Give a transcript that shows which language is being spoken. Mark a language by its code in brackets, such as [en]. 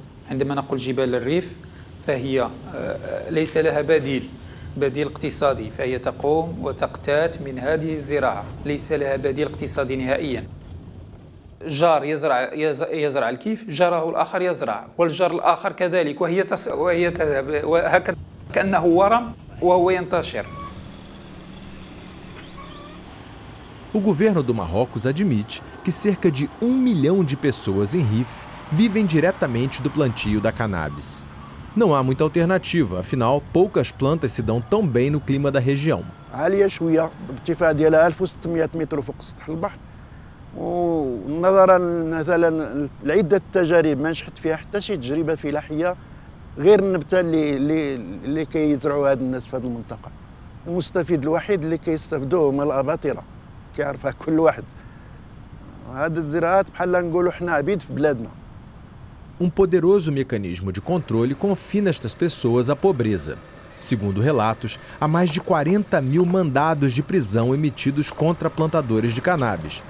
[ar] عندما نقول جبال الريف فهي ليس لها بديل اقتصادي فهي تقوم وتقتات من هذه الزراعة ليس لها بديل اقتصادي نهائيا جار يزرع الكيف جاره الآخر يزرع والجار الآخر كذلك وهي تذهب وهكذا كأنه ورم وهو ينتشر. [pt] O governo do Marrocos admite que cerca de 1 milhão de pessoas em Rif vivem diretamente do plantio da cannabis. Não há muita alternativa, afinal, poucas plantas se dão tão bem no clima da região. [ar] عالية شوية ارتفاع ديالها 1600 متر فوق سطح البحر ونظرا مثلا لعدة تجارب ما نجحت فيها حتى شي تجربة فلاحية غير النبتة اللي كيزرعوا هاد الناس في هاد المنطقة المستفيد الوحيد اللي كيستافدوا هما الأباطرة كيعرفها كل واحد هاد الزراعات بحال نقولوا حنا عبيد في بلادنا [pt] Um poderoso mecanismo de controle confina estas pessoas à pobreza. Segundo relatos, há mais de 40 mil mandados de prisão emitidos contra plantadores de cannabis.